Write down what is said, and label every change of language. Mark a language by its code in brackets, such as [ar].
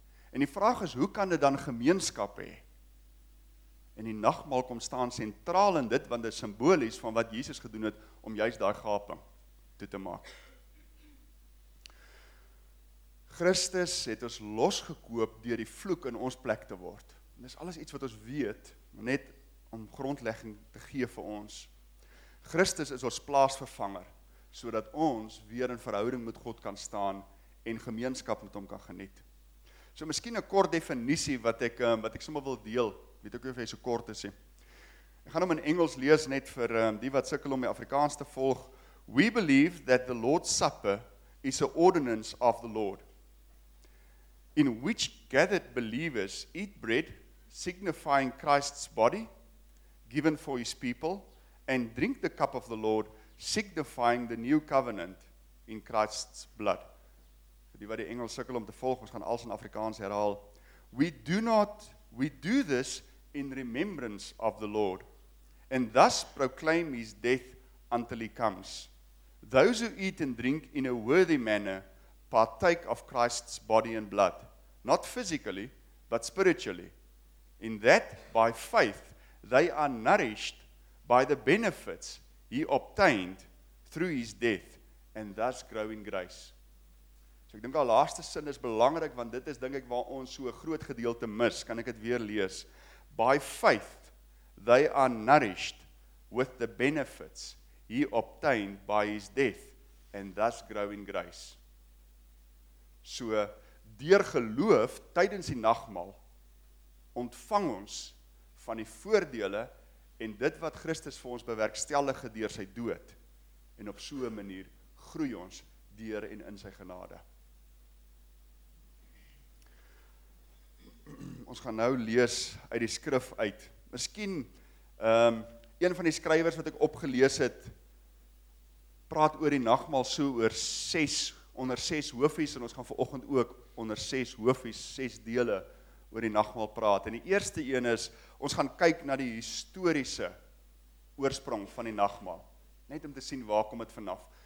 [af] En die vraag is, hoe kan dit dan gemeenskap hê? En die nagmaal kom staan sentraal in dit, want dit is simbolies van wat Jesus gedoen het om juist daai gaping toe te maak. Christus het ons losgekoop deur die vloek in ons plek te word. En dis alles iets wat ons weet, net om grondlegging te gee vir ons. Christus is ons plaasvervanger, sodat ons weer in verhouding met God kan staan en gemeenskap met hom kan geniet. So miskien 'n kort definisie wat ek sommer wil deel, weet ek nie of hy so kort is nie. Ek gaan hom in Engels lees net vir die wat sukkel om die Afrikaans te volg. [en] We believe that the Lord's Supper is an ordinance of the Lord, in which gathered believers eat bread, signifying Christ's body, given for his people, and drink the cup of the Lord, signifying the new covenant in Christ's blood. [af] Vir die wat die Engels sukkel om te volg, ons gaan alles in Afrikaans herhaal. [en] We do not we do this in remembrance of the Lord, and thus proclaim his death until he comes. Those who eat and drink in a worthy manner partake of Christ's body and blood, not physically, but spiritually, in that by faith they are nourished by the benefits he obtained through his death, and thus grow in grace. [af] So ek dink al laaste sin is belangrik, want dit is, dink ek, waar ons so 'n groot gedeelte mis. Kan ek dit weer lees? [en] By faith, they are nourished with the benefits he obtained by his death, and thus grow in grace. [af] So, deur geloof, tydens die nagmaal, ontvang ons van die voordele en dit wat Christus vir ons bewerkstellig het deur sy dood, en op so 'n manier groei ons deur en in sy genade. Ons gaan nou lees uit die skrif uit. Miskien een van die skrywers wat ek opgelees het, praat oor die nagmaal so oor onder ses hoofies, en ons gaan vanoggend ook onder ses hoofies, ses dele oor die nagmaal praat. En die eerste een is, ons gaan kyk na die historiese oorsprong van die nagmaal, net om te sien waar kom dit vanaf.